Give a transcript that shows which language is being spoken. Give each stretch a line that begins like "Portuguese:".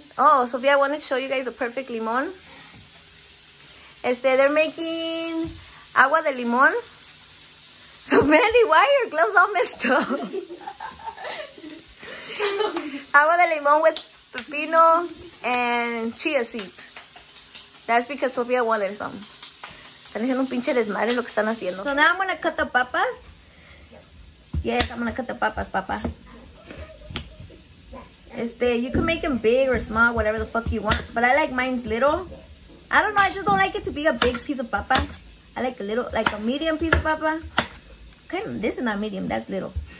English: Oh, Sophia, I want to show you guys the perfect limon. They're making agua de limon. So, Mandy, why are your gloves all messed up? Agua de limon with pepino and chia seeds. That's because Sophia wanted some.
Spanish: Están haciendo un pinche desmadre lo que están haciendo.
English: So, now I'm going to cut the papas. Yes, I'm going to cut the papas, papa. You can make them big or small, whatever the fuck you want. But I like mine's little. I don't know, I just don't like it to be a big piece of papa. I like a little, like a medium piece of papa. Okay, this is not medium, that's little.